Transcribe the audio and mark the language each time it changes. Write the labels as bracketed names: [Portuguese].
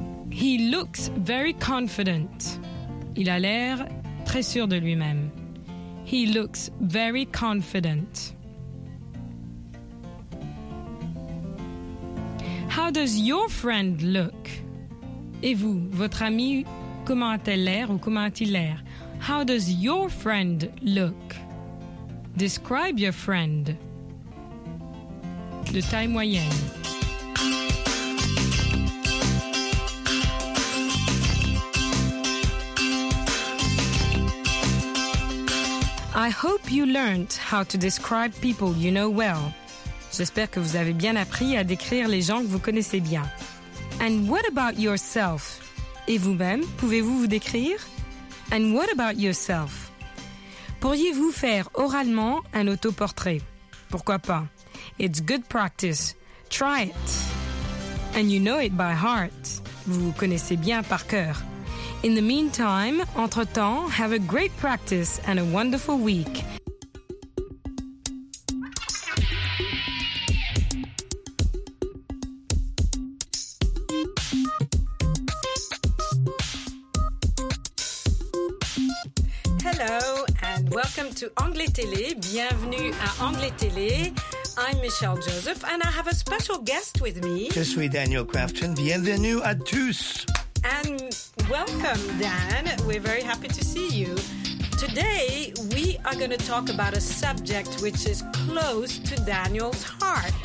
[English] He looks very confident. [French] Il a l'air très sûr de lui-même. [English] He looks very confident. How does your friend look? [French] Et vous, votre ami, comment a-t-elle l'air ou comment a-t-il l'air? [English] How does your friend look? Describe your friend. [French] De taille moyenne. [English] I hope you learned how to describe people you know well. [French] J'espère que vous avez bien appris à décrire les gens que vous connaissez bien. [English] And what about yourself? [French] Et vous-même, pouvez-vous vous décrire? [English] And what about yourself? [French] Pourriez-vous faire oralement un autoportrait? Pourquoi pas? [English] It's good practice. Try it. And you know it by heart. [French] Vous connaissez bien par cœur. [English] In the meantime, entre-temps, have a great practice and a wonderful week. Hello and welcome to Anglais Télé. [French] Bienvenue à Anglais Télé. [English] I'm Michelle Joseph and I have a special guest with me. [French] Je suis Daniel Crafton. Bienvenue à tous. [English] And welcome, Dan. We're very happy to see you. Today, we are going to talk about a subject which is close to Daniel's heart.